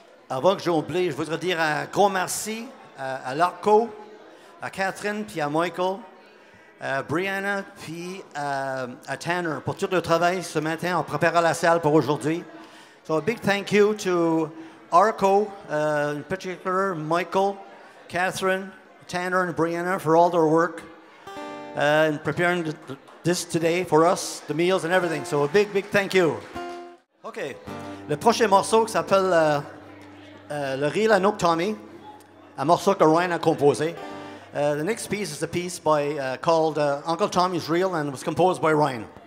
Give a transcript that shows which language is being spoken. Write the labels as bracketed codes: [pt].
[fr] Avant que j'oublie, je voudrais dire un grand merci à Larco, à Catherine, puis à Michael, à Brianna, puis à Tanner pour tout le travail ce matin en préparant la salle pour aujourd'hui. [en] So a big thank you to Arco, in particular Michael, Catherine, Tanner, and Brianna for all their work in preparing this today for us, the meals and everything. So a big, big thank you. [fr] Okay, le prochain morceau qui s'appelle Le Réel à Tommy, a morceau que Ryan a composé. [en] The next piece is a piece by called Uncle Tommy's Reel and was composed by Ryan.